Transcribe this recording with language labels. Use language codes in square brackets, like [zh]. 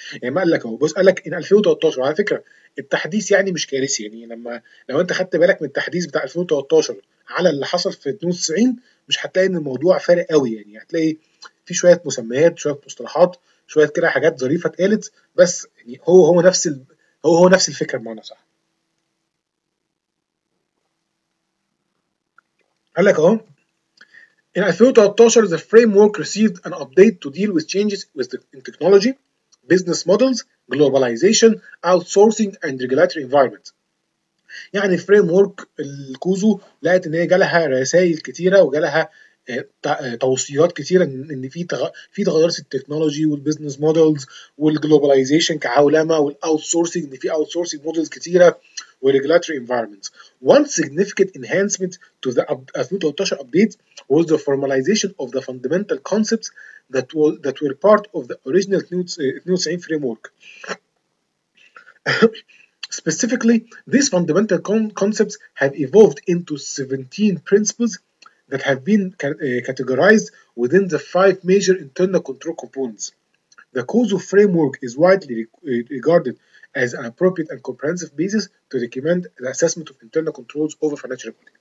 [ar] يعني ما قال لك اهو، بص قال لك ان 2013، على فكره التحديث يعني مش كارثي، يعني لو انت خدت بالك من التحديث بتاع 2013 على اللي حصل في 92 مش هتلاقي ان الموضوع فارق قوي، يعني هتلاقي في شويه مسميات، شويه مصطلحات، شويه كده حاجات ظريفه اتقالت، بس يعني هو نفس الفكره بمعنى صح. قال لك اهو [en] in 2013 the framework received an update to deal with changes in technology, business models, globalization, outsourcing and regulatory environment. [ar] يعني framework الكوزو لقيت ان هي جالها رسائل كتيره وجالها توصيات كتيره ان في تغيرات في التكنولوجي والبزنس مودلز والجلوبالايزيشن كعولمه والاوتسورسنج، ان في اوتسورسنج مودلز كتيره والريجولاتوري انفايرمنت. [en] One significant enhancement to the 2013 update was the formalization of the fundamental concepts that were part of the original 92 framework. Specifically this fundamental concepts have evolved into 17 principles that have been categorized within the five major internal control components. The COSO framework is widely regarded as an appropriate and comprehensive basis to recommend the assessment of internal controls over financial reporting.